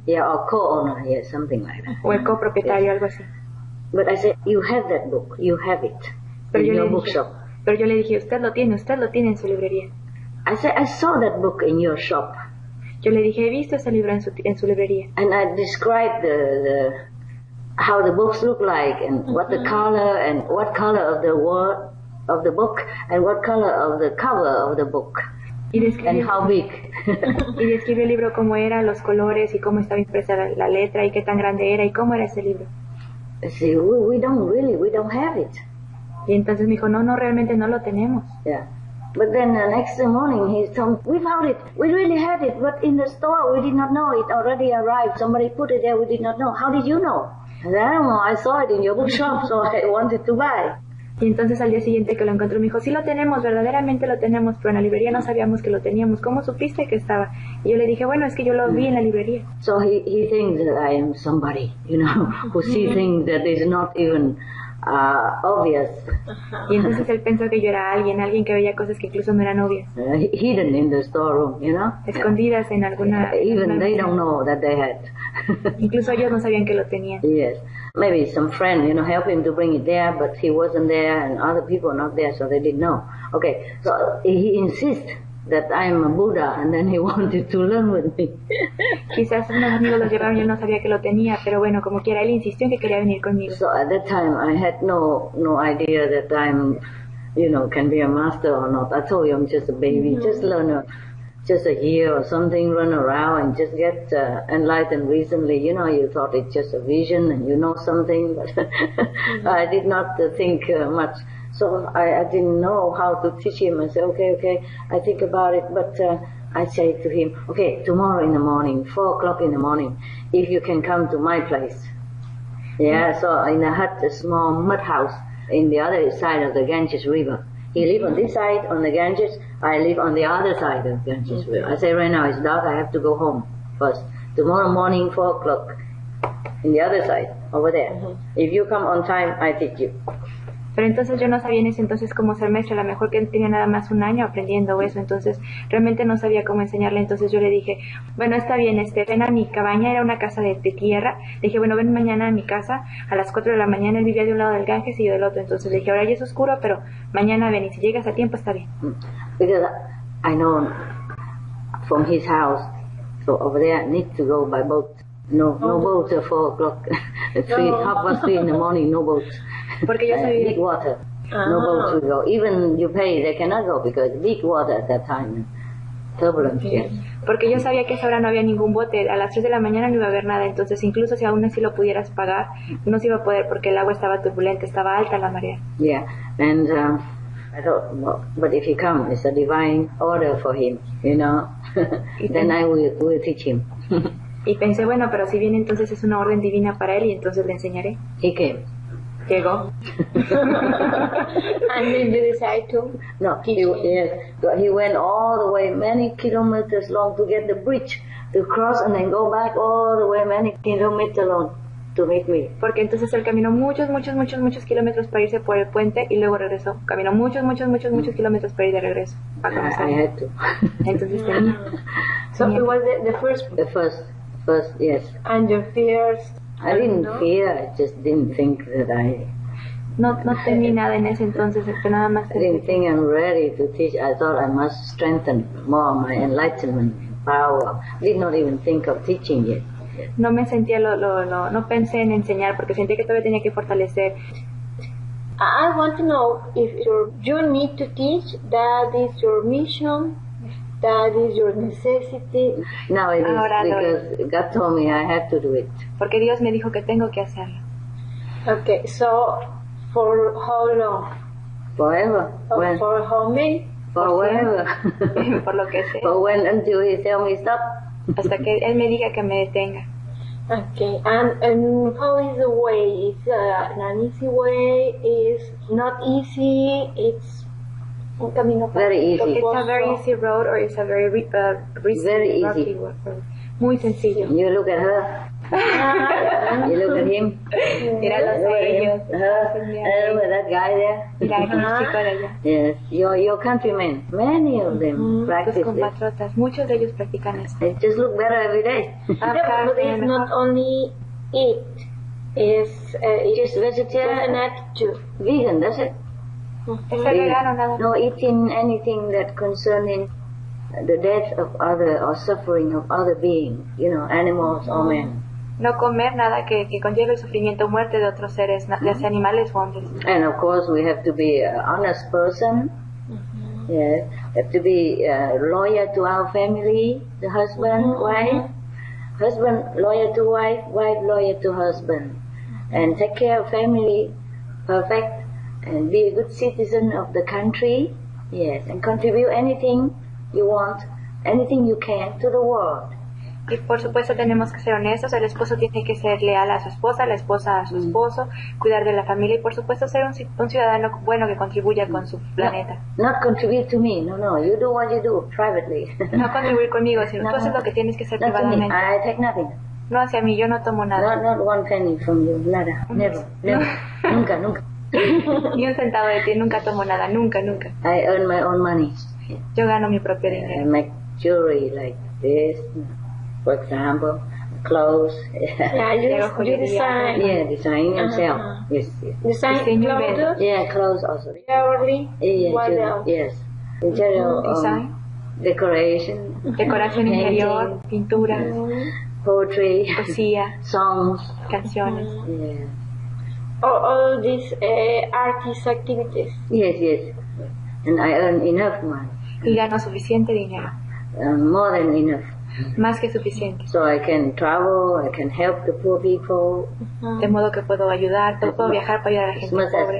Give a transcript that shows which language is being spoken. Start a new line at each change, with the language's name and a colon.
English: Yeah, or co-owner, yes, something like that.
Spanish: O el copropietario, yes. Algo así.
English: But I said, you have that book, you have it in your bookshop.
Spanish: Pero yo le dije, usted lo tiene en su librería.
English: I said, I saw that book in your shop.
Spanish: Yo le dije, he visto ese libro en su librería.
English: And I described the how the books look like and what the color and what color of the word of the book and what color of the cover of the book.
Spanish: Y describí,
English: and how big.
Spanish: Y describí el libro cómo era, los colores y cómo estaba impresa la letra y qué tan grande era y cómo era ese libro.
English: See, we don't have it.
Spanish: Y entonces me dijo, no, realmente no lo tenemos.
English: Yeah. But then the next morning he told me, we found it, we really had it, but in the store we did not know it already arrived, somebody put it there, we did not know. How did you know? I said, I don't know, I saw it in your bookshop, so I wanted to buy.
Spanish: Y entonces al día siguiente que lo encontró me dijo, sí lo tenemos, verdaderamente lo tenemos, pero en la librería no sabíamos que lo teníamos. ¿Cómo supiste que estaba? Y yo le dije, bueno, es que yo lo vi en la librería.
English: So he thinks that I am somebody, you know, who see things that is not even obvious. Y entonces él pensó que yo era alguien, alguien que veía cosas que incluso no eran obvias. Hidden in the storeroom, you know.
Spanish: Escondidas en alguna.
English: Even they don't know that they had.
Spanish: Incluso ellos no sabían que lo tenían.
English: Yes, maybe some friend, you know, helped him to bring it there, but he wasn't there and other people not there, so they didn't know. Okay, so he insists that I'm a Buddha, and then he wanted to learn with me.
Spanish: Quizás unos amigos lo llevaron, yo no sabía que lo tenía, pero bueno, como quiera, él insistió en que quería venir conmigo.
English: So at that time, I had no idea that I'm, you know, can be a master or not. I told you I'm just a baby, just learner, just a year or something, run around and just get enlightened recently. You know, you thought it's just a vision and you know something, but I did not think much. So I didn't know how to teach him. I said, okay, I think about it. But I say to him, okay, tomorrow in the morning, 4 o'clock in the morning, if you can come to my place. Yeah, so in a hut, a small mud house in the other side of the Ganges River. He live on this side, on the Ganges. I live on the other side of Ganges River. I say, right now it's dark, I have to go home first. Tomorrow morning, 4 o'clock, in the other side, over there. If you come on time, I teach you.
Spanish: Pero entonces yo no sabía en ese entonces cómo ser maestro, a lo mejor que tenía nada más un año aprendiendo eso, entonces realmente no sabía cómo enseñarle, entonces yo le dije, bueno, está bien, ven a mi cabaña, era una casa de tierra, le dije, bueno, ven mañana a mi casa, a las 4 de la mañana, él vivía de un lado del Ganges y yo del otro, entonces le dije, ahora ya es oscuro, pero mañana ven, y si llegas a tiempo está bien.
English: Because I know from his house, so over there I need to go by boat. No boat at 4 o'clock, half past 3 in the morning, no boat.
Spanish: Porque yo sabía
English: big water, no boat will go. Even you pay, they cannot go because big water at that time, turbulent. Okay. Yes.
Spanish: Porque yo sabía que a esa hora no había ningún bote. A las 3 de la mañana no iba a haber nada. Entonces, incluso si aún así lo pudieras pagar, no se iba a poder porque el agua estaba turbulente, estaba alta la marea.
English: Yeah, and I thought, well, but if he come, it's a divine order for him, you know. Then I will teach him.
Spanish: Y pensé, bueno, pero si viene, entonces es una orden divina para él y entonces le enseñaré.
English: He came.
Spanish: Llegó.
English: And then you decide to? No, he went all the way, many kilometers long to get the bridge to cross and then go back all the way, many kilometers long to meet me.
Spanish: Porque entonces él caminó muchos kilómetros para irse por el puente y luego regresó. Caminó muchos kilómetros para ir de regreso.
English: I had to.
Spanish: Entonces
English: So it was the first? The first. First, yes. And your fears? I didn't fear, I just didn't think that I...
Spanish: No tenía nada en ese entonces, pero nada más...
English: I didn't think I'm ready to teach. I thought I must strengthen more my enlightenment, power. I did not even think of teaching yet.
Spanish: No me sentía no pensé en enseñar, porque sentía que todavía tenía que fortalecer.
English: I want to know if you need to teach, that is your mission, that is your necessity. No, it is ahora, because no. God told me I have to do it.
Spanish: Porque Dios me dijo que tengo que hacerlo.
English: Okay, so for how long? Forever. For how many? For whatever.
Spanish: Por lo que sea.
English: For when until he tell me stop.
Spanish: Hasta que él me diga que me detenga.
English: Okay, and how is the way? It's an easy way, it's not easy, it's
Spanish: un camino fácil.
English: Very easy. It's a very easy road or it's a very risky, very easy.
Spanish: Muy sencillo.
English: You look at her. You look at him.
Spanish: Mira los de ellos.
English: Look at that guy there.
Spanish: Mira aquel chico de allá.
English: Yes, your countrymen, many of them practice this.
Spanish: Tus compatriotas, muchos de ellos practican esto.
English: They just look better every day. But it's not only it. It's just vegetarian. An attitude. Vegan, that's it. No eating anything that concerning the death of other or suffering of other beings, you know, animals or men. No comer nada que conlleve el sufrimiento o muerte de otros seres, ya sea animales o hombres. And of course we have to be an honest person, yeah. Have to be a lawyer to our family, the husband, wife. Husband lawyer to wife, wife lawyer to husband. And take care of family, perfect, and be a good citizen of the country, yes, and contribute anything you want, anything you can to the world.
Spanish: Y por supuesto tenemos que ser honestos, el esposo tiene que ser leal a su esposa, la esposa a su esposo, cuidar de la familia y por supuesto ser un ciudadano bueno que contribuya con su planeta.
English: Not contribute to me, no, you do what you do privately.
Spanish: No contribuir conmigo, sino tú haces lo que tienes que hacer privadamente.
English: Not to me, I take nothing.
Spanish: No hacia mí, yo no tomo nada.
English: Not one penny from you, nada, never, no. Nunca.
Spanish: Ni un centavo de ti, nunca tomo nada, nunca, nunca.
English: I earn my own money.
Spanish: Yo gano mi propio dinero.
English: I make jewelry like this, for example, clothes. Yeah, you design. Yeah, design yourself. Uh-huh. Yes, yes. Design clothes? Yeah, clothes also. Jewelry? Yes. In general, design? Decoration.
Spanish: Decoración interior, pintura.
English: Poetry.
Spanish: Poesía.
English: Songs.
Spanish: Canciones.
English: Yeah. All these artist activities. Yes, yes. And I earn enough money.
Spanish: Y gano suficiente dinero.
English: More than enough.
Spanish: Más que suficiente.
English: So I can travel, I can help the poor people.
Spanish: De modo que puedo ayudar, puedo viajar para ayudar a la gente pobre.